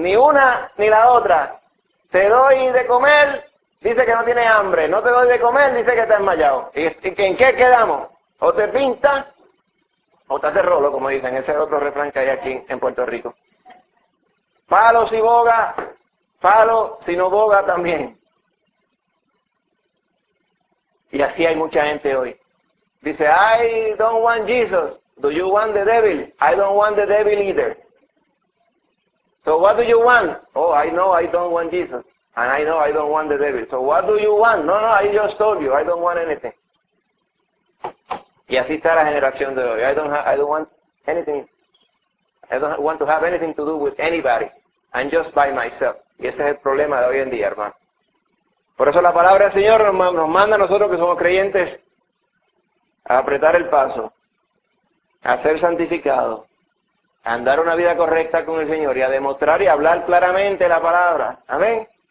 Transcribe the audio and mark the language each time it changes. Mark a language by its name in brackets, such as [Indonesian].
[Spanish] Ni una ni la otra, te doy de comer, dice que no tiene hambre, no te doy de comer, dice que está desmayado. ¿Y en qué quedamos? O te pinta, o te hace rolo, como dicen, ese es otro refrán que hay aquí en Puerto Rico. Palo si boga, palo si no boga también. Y así hay mucha gente hoy. [English] Dice, I don't want Jesus, do you want the devil? I don't want the devil either. So what do you want? Oh, I know I don't want Jesus, and I know I don't want the devil. So what do you want? No, no, I just told you, I don't want anything. [Spanish] Y así está la generación de hoy. [English] I don't want to have anything to do with anybody. I'm just by myself. [Spanish] Y ese es el problema de hoy en día, hermano. Por eso la palabra del Señor nos manda a nosotros que somos creyentes a apretar el paso, a ser santificados, a andar una vida correcta con el Señor y a demostrar y hablar claramente la palabra. Amén.